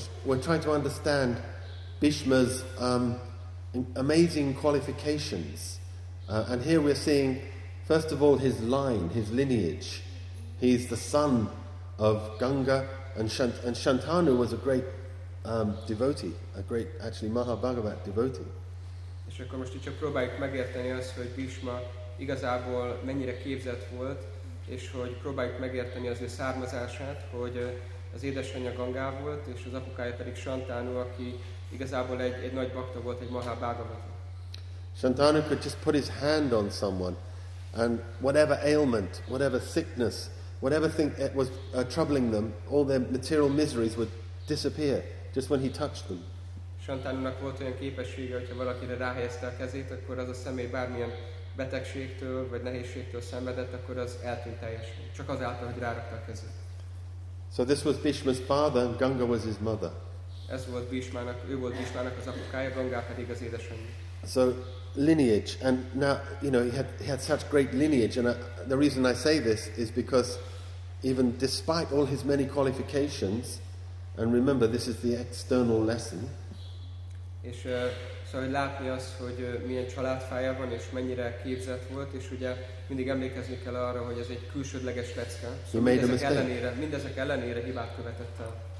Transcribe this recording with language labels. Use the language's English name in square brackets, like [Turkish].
[English] We're trying to understand Bhishma's amazing qualifications. And here we're seeing, first of all, his line, his lineage. He's the son of Ganga, and Shantanu was a great devotee, a great, actually, Mahabharata devotee. [Hungarian] És akkor most így csak próbáljuk megérteni azt, hogy Bhishma igazából mennyire képzett volt, és hogy próbáljuk megérteni az ő származását, hogy az édesanyja Ganga volt, és az apukája pedig Shantanu, aki igazából egy nagy bhakta volt, egy Mahabharata. [English] Shantanu could just put his hand on someone, and whatever ailment, whatever sickness, whatever thing it was troubling them, all their material miseries would disappear just when he touched them. [Hungarian] Shantanunak volt olyan képessége, hogyha valakire ráhelyezte a kezét, akkor az a személy bármilyen betegségtől vagy nehézségtől szenvedett, akkor az eltűnt teljesen. Csak azáltal, hogy rárakta a kezét. [English] So this was Bhishma's father, and Ganga was his mother. [Hungarian] Ez volt Bhishmának, ő volt Bhishmának az apukája, Ganga pedig az édesanyja. [English] So lineage, and now, you know, he had such great lineage, and the reason I say this is because even despite all his many qualifications, and remember, this is the external lesson. [Hungarian] És szóval látni azt, hogy milyen családfája van, és mennyire képzett volt, és ugye mindig emlékezni kell arra, hogy ez egy külsődleges lecke. [English] You made a mistake. [Hungarian] Mindezek ellenére hibát követett el.